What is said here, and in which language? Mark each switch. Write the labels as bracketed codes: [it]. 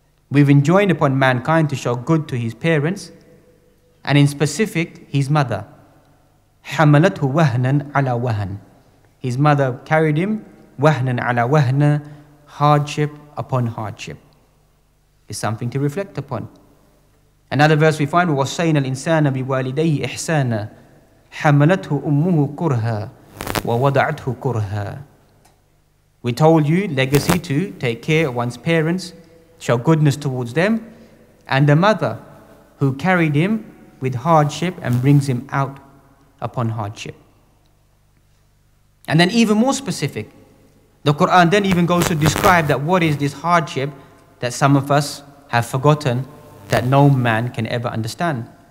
[en] We've enjoined upon mankind to show good to his parents, and in specific, his mother. [ar] حَمَلَتْهُ وَهْنًا عَلَى وَهْنٍ. [en] His mother carried him, [ar] وَهْنًا عَلَى وَهْنًا, [en] hardship upon hardship. It's something to reflect upon. Another verse we find, [ar] وَسَيْنَ الْإِنسَانَ بِوَالِدَيْهِ إِحْسَانًا حَمَلَتْهُ أُمُّهُ كُرْهًا وَوَضَعَتْهُ كُرْهًا. [en] We told you, legacy to take care of one's parents, show goodness towards them, and the mother who carried him with hardship and brings him out upon hardship. And then even more specific, the Quran then even goes to describe that what is this hardship that some of us have forgotten that no man can ever understand.